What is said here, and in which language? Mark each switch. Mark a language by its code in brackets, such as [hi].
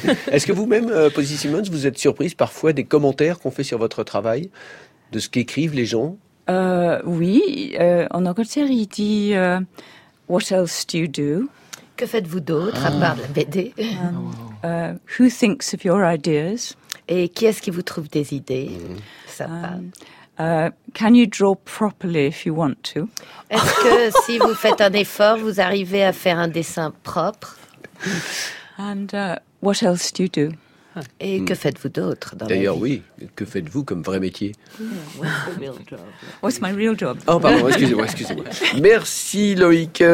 [fr] Est-ce que vous-même, Posy Simmons, vous êtes surprise parfois des commentaires qu'on fait sur votre travail, de ce qu'écrivent les gens ? Oui, en Angleterre, il dit « [en] What else do you do ?» [fr] Que faites-vous d'autre, à part la BD ? [en] Who thinks of your ideas ? [fr] Et qui est-ce qui vous trouve des idées ? [en] Can you draw properly if you want to ? [fr] Est-ce que si vous faites un effort, vous arrivez à faire un dessin propre ? [en] And what else do you do ? [fr] Et que faites-vous d'autre dans D'ailleurs, la vie ? D'ailleurs, oui. Que faites-vous comme vrai métier ? [en] What's my real job ? [fr] Oh, pardon, excusez-moi. Merci Loïc.